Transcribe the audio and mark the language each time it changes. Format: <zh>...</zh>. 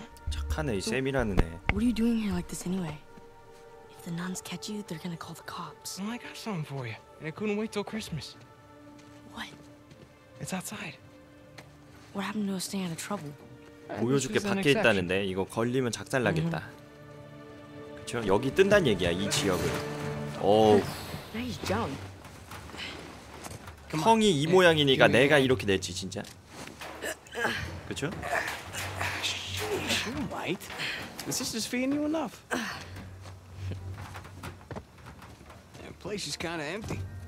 <ko>착하네, 이 샘이라는 애.</ko> <en>What are you doing here like this anyway? If the nuns catch you, they're going to call the cops. Well, I got something for you. And I couldn't wait till Christmas. What? It's outside. What happened to us staying out of trouble?</en> <ko>보여줄게 밖에 있다는데 이거 걸리면 작살 나겠다. 그쵸? 여기 뜬단 얘기야 이 지역을. 어우. 형이 이 모양이니까 내가 이렇게 됐지 진짜. 그쵸?</ko> <en>You might. This is just feeding you enough. The place is kind of empty.</en>